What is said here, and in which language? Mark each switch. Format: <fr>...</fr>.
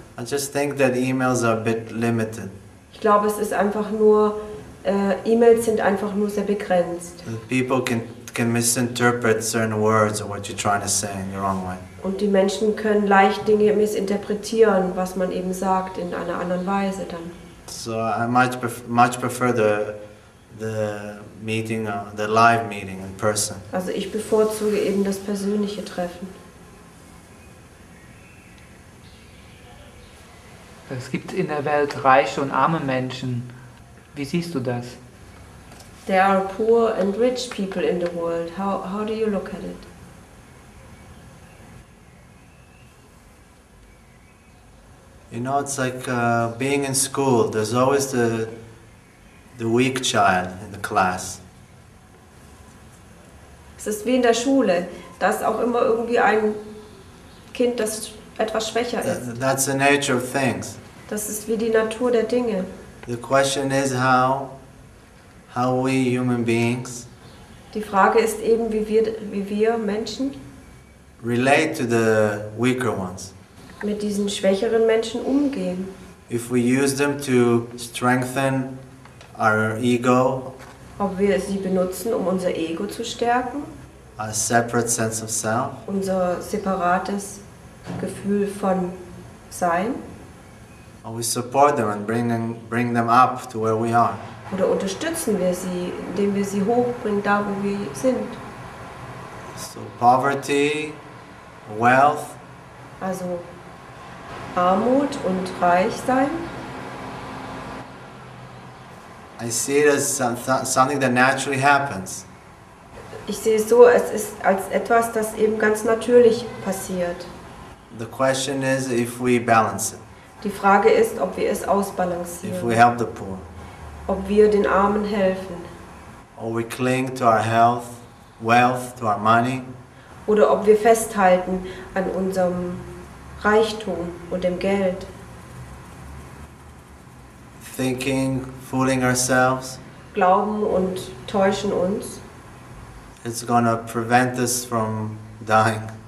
<en>I just think that emails are a bit limited.</en> <de>Ich glaube, es ist einfach nur E-Mails sind einfach nur sehr begrenzt.</de> <en>People can misinterpret certain words or what you're trying to say in the wrong way.</en> <de>Und die Menschen können leicht Dinge missinterpretieren, was man eben sagt in einer anderen Weise dann.</de> <en>So I much prefer the meeting, the live meeting in person.</en> <de>Also ich bevorzuge eben das persönliche Treffen. Es gibt in der Welt reiche und arme Menschen. Wie siehst du das?</de> <en>There are poor and rich people in the world. How do you look at it? You know, it's like being in school. There's always the weak child in the class.</en> <de>Es ist wie in der Schule, dass auch immer irgendwie ein Kind, das etwas schwächer ist.</de> <en>That's the nature of things.</en> <de>Das ist wie die Natur der Dinge.</de> <en>The question is how we human beings.</en> <de>Die Frage ist eben, wie wir Menschen</de> <en>relate to the weaker ones.</en> <de>Mit diesen schwächeren Menschen umgehen.</de> <en>If we use them to strengthen our ego.</en> <de>Ob wir sie benutzen, um unser Ego zu stärken.</de> <en>A separate sense of self.</en> <de>Unser separates Gefühl von Sein.</de> <en>Or we support them and bring them up to where we are.</en> <de>Oder unterstützen wir sie, indem wir sie hochbringen, da wo wir sind.</de> <en>So poverty, wealth.</en> <de>Also Armut und reich sein.</de> <en>I see it as something that naturally happens.</en> <de>Ich sehe es so, es ist als etwas, das eben ganz natürlich passiert.</de> <en>The question is if we balance it.</en> <de>Die Frage ist, ob wir es ausbalancieren.</de> <en>If we help the poor.</en> <de>Ob wir den Armen helfen.</de> <en>Or we cling to our health, wealth, to our money.</en> <de>Oder ob wir festhalten an unserem Reichtum und dem Geld.</de> <en>Thinking, fooling ourselves.</en> <de>Glauben und täuschen uns.</de> <en>It's gonna prevent us from dying.</en>